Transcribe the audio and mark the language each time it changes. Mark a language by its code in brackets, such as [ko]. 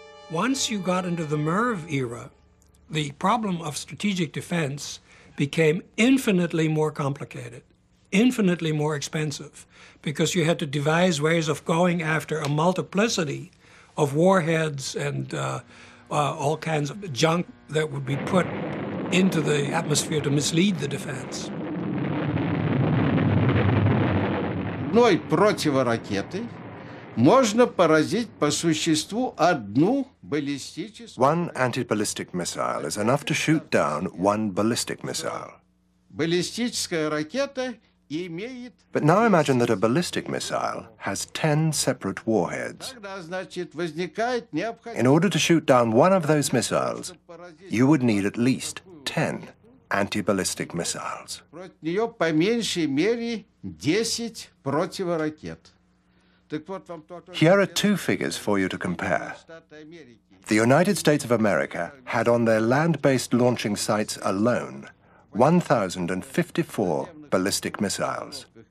[en] Once you got into the MIRV era, the problem of strategic defense became infinitely more complicated, infinitely more expensive, because you had to devise ways of going after a multiplicity of warheads and all kinds of junk that would be put into the atmosphere to mislead the defense. [ru] Одной противоракетой можно поразить по существу одну баллистическую. [en] One anti-ballistic missile is enough to shoot down one ballistic missile. [ru] Баллистическая ракета имеет. [en] But now imagine that a ballistic missile has 10 separate warheads. [ru] Тогда, значит, возникает необходимость. [en] In order to shoot down one of those missiles, you would need at least 10 anti-ballistic missiles. [ru] Против нее по меньшей мере 10 противоракет. [en] Here are two figures for you to compare. The United States of America had on their land-based launching sites alone 1,054 ballistic missiles.